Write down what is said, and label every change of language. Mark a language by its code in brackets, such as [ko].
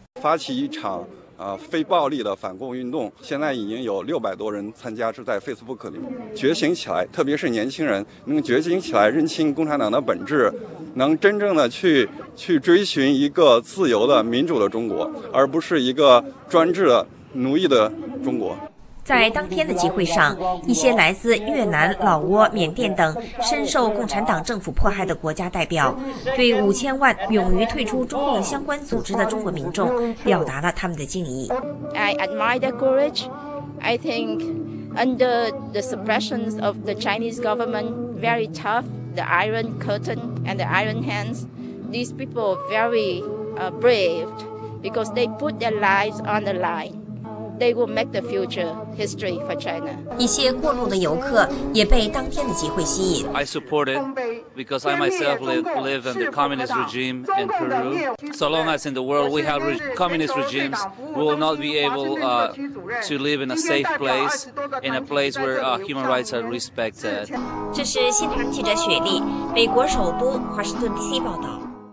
[zh] 发起一场非暴力的反共运动，现在已经有600多人参加，是在 Facebook 里面觉醒起来，特别是年轻人能觉醒起来，认清共产党的本质，能真正的去追寻一个自由的民主的中国，而不是一个专制的奴役的中国。在当天的集会上，一些来自越南、老挝、缅甸等深受共产党政府迫害的国家代表，对5000万勇于退出中共相关组织的中国民众表达了他们的敬意。 [en] I admire their courage. I think under the suppression of the Chinese government, very tough, the iron curtain and the iron hands, these people are very brave because they put their lives on the line. They will make the future history for China. [zh] 一些过路的游客也被当天的集会吸引。 [en] I support it because I myself live in the communist regime in Peru. So long as in the world we have communist regimes, we will not be able to live in a safe place, in a place where human rights are respected. [zh] 这是新唐记者雪莉，美国首都华盛顿 DC 报道。